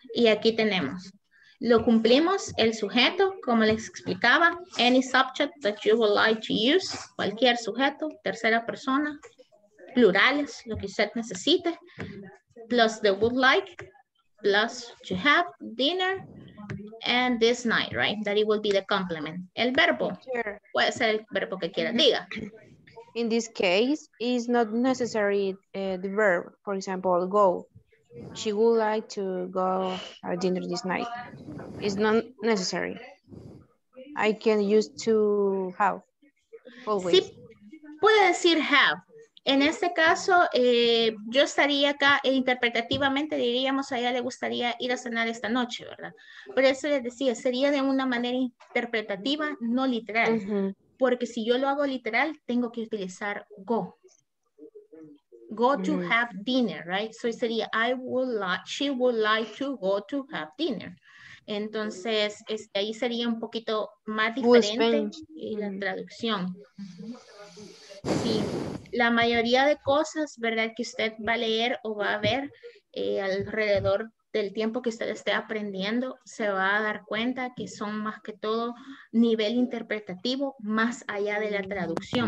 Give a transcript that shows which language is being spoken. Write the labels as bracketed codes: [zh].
[es] Y aquí tenemos. Lo cumplimos, el sujeto, como les explicaba, [en] any subject that you would like to use, [es] cualquier sujeto, tercera persona, plurales, lo que usted necesite, [en] plus the would like, plus to have dinner, and this night, right? That it will be the complement. [es] El verbo, puede ser el verbo que quiera, diga. [en] In this case, it's not necessary the verb, for example, go. She would like to go to dinner this night. It's not necessary. I can use to have. Always. [es] Sí, puede decir have. En este caso, yo estaría acá e interpretativamente diríamos a ella le gustaría ir a cenar esta noche, ¿verdad? Por eso les decía, sería de una manera interpretativa, no literal. Porque si yo lo hago literal, tengo que utilizar go. [en] Go to have dinner, right? So it [es] sería, [en] I would like, she would like to go to have dinner. [es] Entonces, ahí sería un poquito más diferente y la traducción. Sí, la mayoría de cosas, ¿verdad? Que usted va a leer o va a ver alrededor del tiempo que usted esté aprendiendo, se va a dar cuenta que son más que todo nivel interpretativo, más allá de la traducción.